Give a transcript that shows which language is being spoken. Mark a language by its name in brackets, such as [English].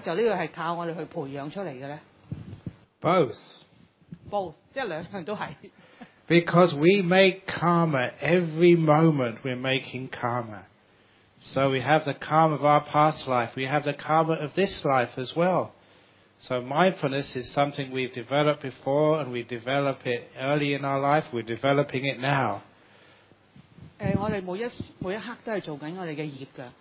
[Cantonese] 就呢個係靠我哋去培養出嚟嘅咧。 [English] Both， [Cantonese] 即係兩樣都係。 [English] Because we make karma every moment, we're making karma. So we have the karma of our past life. We have the karma of this life as well. So mindfulness is something we've developed before, and we develop it early in our life. We're developing it now. [Cantonese] 我哋每一刻都係做緊我哋嘅業嘅。